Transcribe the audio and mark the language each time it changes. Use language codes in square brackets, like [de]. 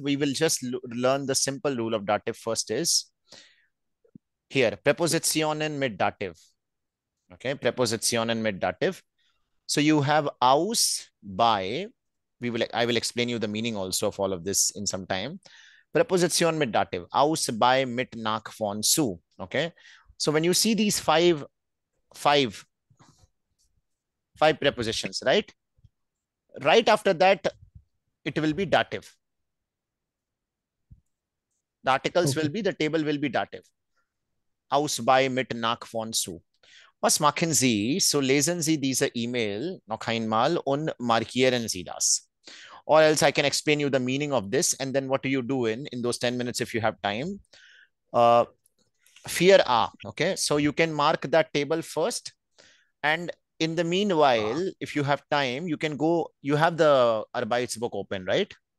[en] We will just learn the simple rule of Dativ first is, here, [de] Prepositionen mit Dativ. Okay, Prepositionen mit Dativ. [en] So you have aus, by, I will explain you the meaning also of all of this in some time. [de] Preposition mit Dativ, aus, by, mit, nach, von, zu, okay? [en] So when you see these five prepositions, right? Right after that, it will be Dativ. The articles will be, the table will be Dativ. Aus, by, mit, nach, von, zu. [de] Was machen Sie? So lesen Sie diese E-Mail noch einmal und markieren Sie das. [en] Or else I can explain you the meaning of this and then what do you do in those 10 minutes if you have time. Vier A, okay? So you can mark that table first. And in the meanwhile, if you have time, you can go, you have the Arbeitsbuch open, right?